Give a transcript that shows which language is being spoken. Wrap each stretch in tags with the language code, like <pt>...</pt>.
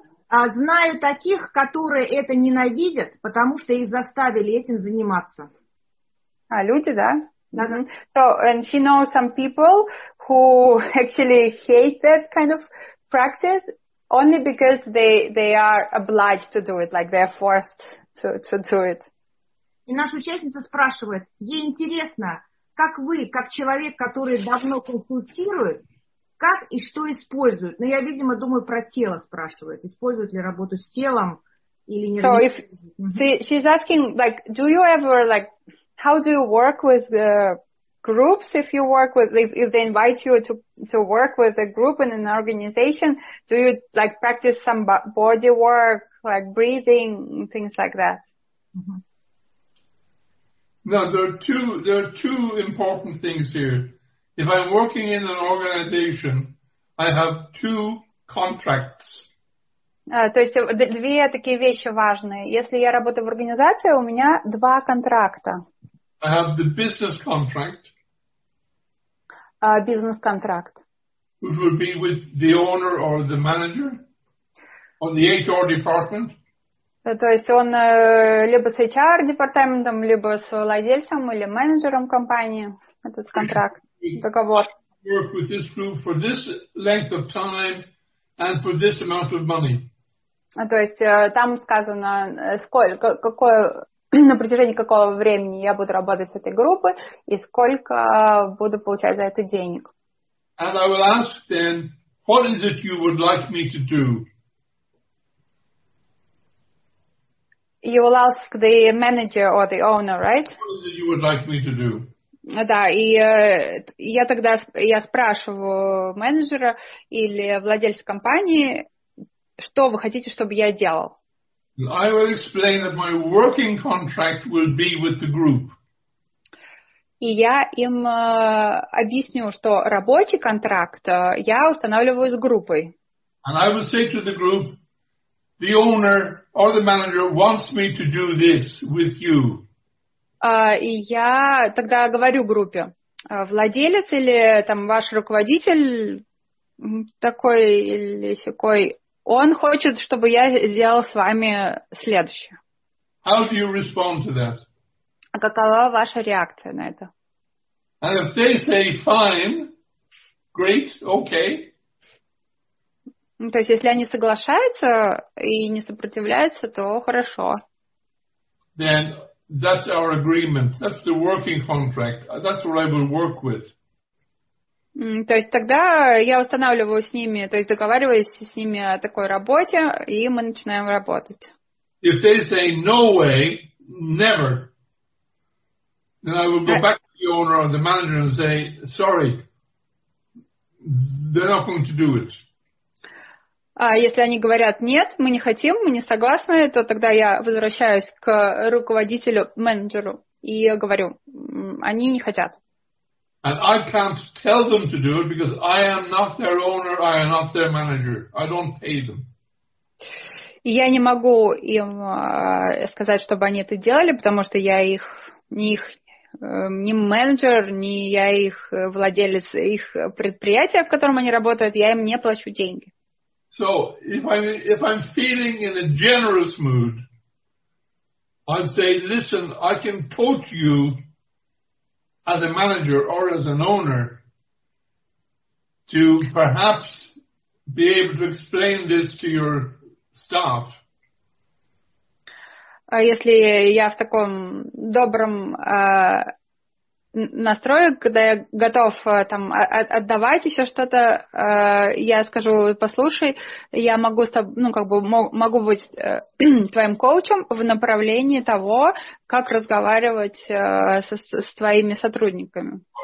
<ru>Знаю таких, которые это ненавидят, потому что их заставили этим заниматься. А люди, да? Да.</ru> <en>So, and she knows some people who actually hate that kind of practice only because they are obliged to do it, like they are forced to do it.</en> <ru>И наша участница спрашивает, ей интересно, как вы, как человек, который давно консультирует, как и что использует? Но я, видимо, думаю, про тело спрашивает. Использует ли работу с телом или не?</ru> <en>So, if she's asking, like, do you ever, like, how do you work with groups, if you work with, if they invite you to work with a group in an organization, do you like practice some body work, like breathing, things like that? Mm-hmm. No, there are two important things here. If I'm working in an organization, I have two contracts.</en> <ru>То есть две такие вещи важные. Если я работаю в организации, у меня два контракта.</ru> <en>I have the business contract. Business contract. Which would be with the owner or the manager or the HR department.</en> <ru>То есть он либо с HR департаментом, либо с владельцем или менеджером компании этот контракт, договор.</ru> <en>Work with this group for this length of time and for this amount of money.</en> <ru>То есть там сказано, сколько, какое, на протяжении какого времени я буду работать с этой группой и сколько буду получать за это денег.</ru> <en>And I will ask then, what is it you would like me to do? You will ask the manager or the owner, right? What is it you would like me to do?</en> <ru>Да, и я тогда я спрашиваю менеджера или владельца компании, что вы хотите, чтобы я делал?</ru> <en>I will explain that my working contract will be with the group.</en> <ru>И я им объясню, что рабочий контракт я устанавливаю с группой.</ru> <en>And I will say to the group, the owner or the manager wants me to do this with you.</en> <ru>И я тогда говорю группе, владелец или там ваш руководитель такой или сякой, он хочет, чтобы я сделал с вами следующее.</ru> <en>How do you respond to that?</en> <ru>А какова ваша реакция на это?</ru> <en>And if they say fine, great, okay.</en> <ru>То есть, если они соглашаются и не сопротивляются, то хорошо.</ru> <en>Then that's our agreement. That's the working contract. That's what I will work with.</en> <ru>То есть тогда я устанавливаю с ними, то есть договариваюсь с ними о такой работе, и мы начинаем работать.</ru> <en>If they say no way, never, then I will go back to the owner or the manager and say, sorry, they're not going to do it.</en> <ru>А если они говорят нет, мы не хотим, мы не согласны, то тогда я возвращаюсь к руководителю, менеджеру и говорю, они не хотят.</ru> <en>And I can't tell them to do it because I am not their owner, I am not their manager. I don't pay them.</en> <ru>Я не могу им сказать, чтобы они это делали, потому что я их не их не менеджер, не я их владелец их предприятия, в котором они работают, я им не плачу деньги.</ru> <en>So if I'm feeling in a generous mood, I'd say, listen, I can coach you as a manager or as an owner to perhaps be able to explain this to your staff.</en> <ru>Если я в таком добром настрое, когда я готов там отдавать еще что-то, я скажу, послушай, я могу, ну, как бы могу быть твоим коучем в направлении того, как разговаривать с твоими сотрудниками.</ru>